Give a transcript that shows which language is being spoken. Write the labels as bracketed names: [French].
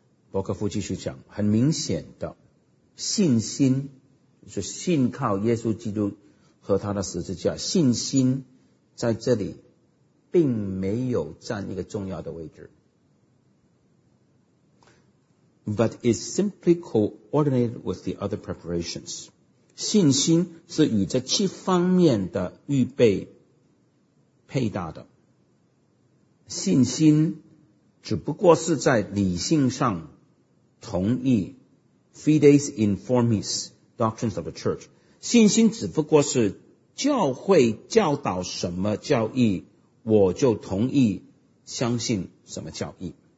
[Chinese] 伯克夫继续讲，很明显的信心，是信靠耶稣基督和他的十字架，信心在这里并没有占一个重要的位置。 [English] But it's simply coordinated with the other preparations. [Chinese] 信心是与这七方面的预备配搭的。信心只不过是在理性上同意 [English] Fides informisDoctrines of the Church， [Chinese] 信心只不过是教会教导什么教义，我就同意相信什么教义。